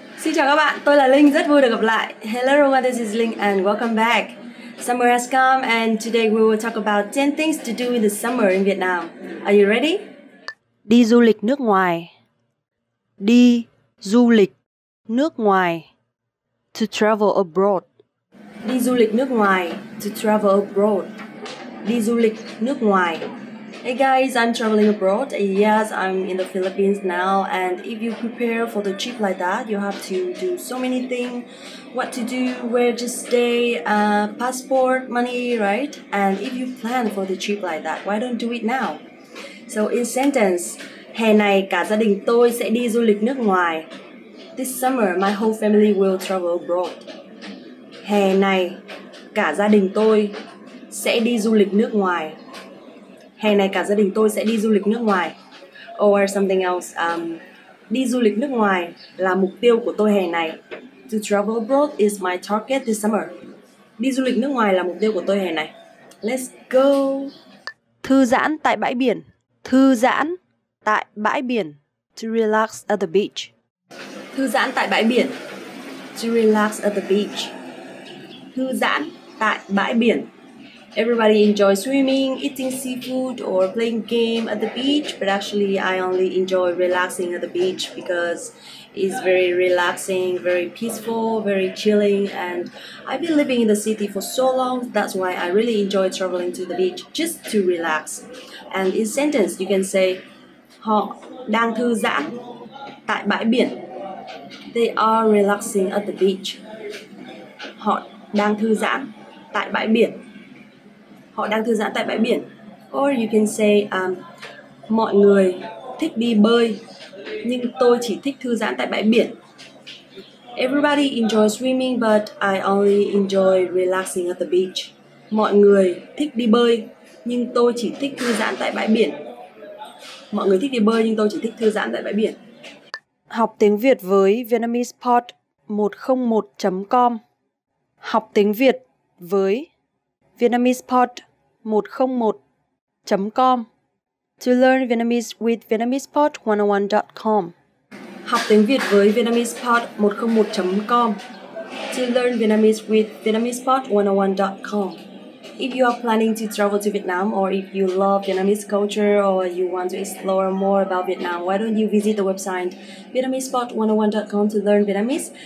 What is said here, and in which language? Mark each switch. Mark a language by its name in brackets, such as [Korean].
[Vietnamese] Xin chào các bạn, tôi là Linh, rất vui được gặp lại. [English] Hello everyone, this is Linh and welcome back. Summer has come and today we will talk about 10 things to do in the summer in Vietnam. Are you ready? [Vietnamese] Đi du lịch nước ngoài. Đi du lịch nước ngoài. [English] To travel abroad. [Vietnamese] Đi du lịch nước ngoài. [English] To travel abroad. [Vietnamese] Đi du lịch nước ngoài. [English] Hey guys, I'm traveling abroad. Yes, I'm in the Philippines now. And if you prepare for the trip like that, you have to do so many things. What to do, where to stay, passport, money, right? And if you plan for the trip like that, why don't do it now? So in sentence, [Vietnamese] hè này cả gia đình tôi sẽ đi du lịch nước ngoài. [English] This summer, my whole family will travel abroad. [Vietnamese] Hè này cả gia đình tôi sẽ đi du lịch nước ngoài. Hè này cả gia đình tôi sẽ đi du lịch nước ngoài. [English] Or something else. [Vietnamese] Đi du lịch nước ngoài là mục tiêu của tôi hè này. [English] To travel abroad is my target this summer. [Vietnamese] Đi du lịch nước ngoài là mục tiêu của tôi hè này. [English] Let's go. [Vietnamese] Thư giãn tại bãi biển. Thư giãn tại bãi biển. [English] To relax at the beach. [Vietnamese] Thư giãn tại bãi biển. [English] To relax at the beach. [Vietnamese] Thư giãn tại bãi biển. [English] Everybody enjoys swimming, eating seafood, or playing game at the beach. But actually, I only enjoy relaxing at the beach because it's very relaxing, very peaceful, very chilling. And I've been living in the city for so long. That's why I really enjoy traveling to the beach just to relax. And in sentence, you can say, [Vietnamese] họ đang thư giãn tại bãi biển. [English] They are relaxing at the beach. [Vietnamese] Họ đang thư giãn tại bãi biển. Họ đang thư giãn tại bãi biển. [English] Or you can say, [Vietnamese] mọi người thích đi bơi, nhưng tôi chỉ thích thư giãn tại bãi biển. [English] Everybody enjoys swimming, but I only enjoy relaxing at the beach. [Vietnamese] Mọi người thích đi bơi, nhưng tôi chỉ thích thư giãn tại bãi biển. Mọi người thích đi bơi, nhưng tôi chỉ thích thư giãn tại bãi biển. Học tiếng Việt với VietnamesePod101.com. Học tiếng Việt với VietnamesePod101.com. [English] To learn Vietnamese with VietnamesePod101.com. [Vietnamese] Học tiếng Việt với VietnamesePod101.com. [English] To learn Vietnamese with VietnamesePod101.com. If you are planning to travel to Vietnam, or if you love Vietnamese culture, or you want to explore more about Vietnam, why don't you visit the website VietnamesePod101.com to learn Vietnamese?